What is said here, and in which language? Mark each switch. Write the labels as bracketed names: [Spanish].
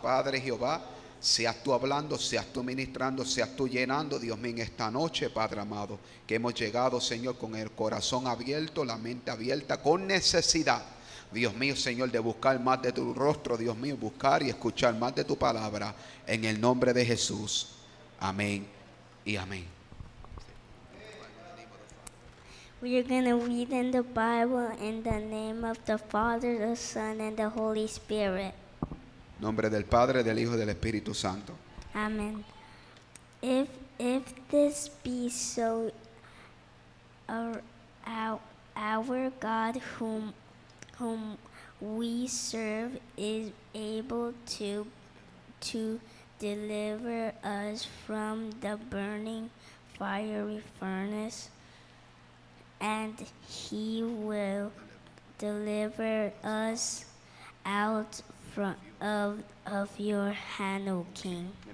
[Spanish] Padre Jehová, seas tú hablando, seas tú ministrando, seas tú llenando, Dios mío, en esta noche, Padre amado, que hemos llegado, Señor, con el corazón abierto, la mente abierta, con necesidad, Dios mío, Señor, de buscar más de tu rostro, Dios mío, buscar y escuchar más de tu palabra, en el nombre de Jesús. Amén y amén. [English] We are going to read in the Bible in the name of the Father, the Son, and the Holy Spirit. [Spanish] Nombre del Padre, del Hijo, del Espíritu Santo. [English] Amen. If this be so, our God whom we serve is able to deliver us from the burning fiery furnace, and he will deliver us out of your hand, O King.